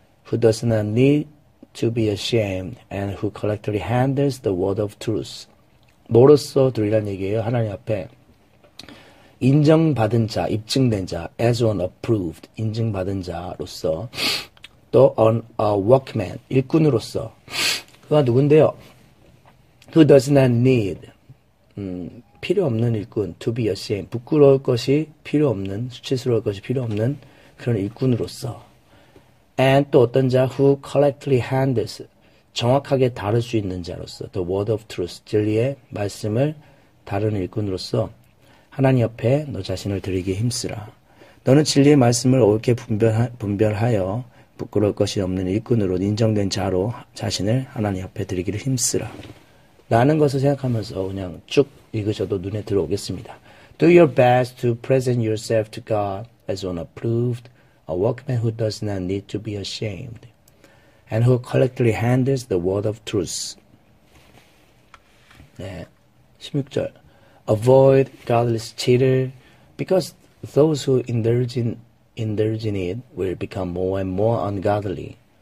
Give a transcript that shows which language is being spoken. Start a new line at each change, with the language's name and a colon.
English: Who does not need to be ashamed and who correctly handles the word of truth.
Korean: 뭐로써 드리란 얘기예요. 하나님 앞에. 인정받은 자, 입증된 자,
English: as one approved,
Korean: 인증받은 자로서, 또
English: on a workman,
Korean: 일꾼으로서. 그가 누군데요?
English: Who does not need,
Korean: 필요 없는 일꾼,
English: to be ashamed,
Korean: 부끄러울 것이 필요 없는, 수치스러울 것이 필요 없는 그런 일꾼으로서. And 또 어떤 자,
English: who correctly handles,
Korean: 정확하게 다룰 수 있는 자로서,
English: the word of truth,
Korean: 진리의 말씀을 다루는 일꾼으로서, 하나님 옆에 너 자신을 드리기 힘쓰라. 너는 진리의 말씀을 옳게 분별하여, 부끄러울 것이 없는 일꾼으로 인정된 자로 자신을 하나님 옆에 드리기를 힘쓰라. 라는 것을 생각하면서 그냥 쭉 읽으셔도 눈에 들어오겠습니다.
English: Do your best to present yourself to God as one approved. A workman who does not need to be ashamed and who correctly handles the word of truth.
Korean: 네. 16절.
English: Avoid godless cheater because those who indulge in it will become more and more ungodly.